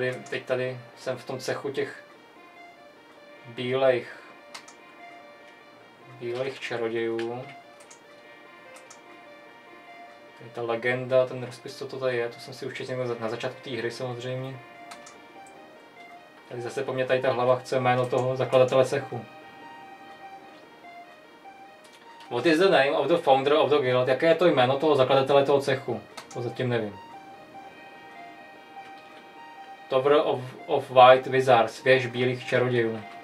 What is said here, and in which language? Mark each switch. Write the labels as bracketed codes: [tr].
[cs] Teď tady jsem v tom cechu těch bílejch čarodějů. To je ta legenda, ten rozpis, co to tady je, to jsem si určitě někdo na začátku té hry samozřejmě. Tady zase po mně tady ta hlava chce jméno toho zakladatele cechu. [en] What is the name of the founder of the guild? [cs] Jaké je to jméno toho zakladatele toho cechu? To zatím nevím. [en] Tower of White Wizards, [cs] věž bílých čarodějů.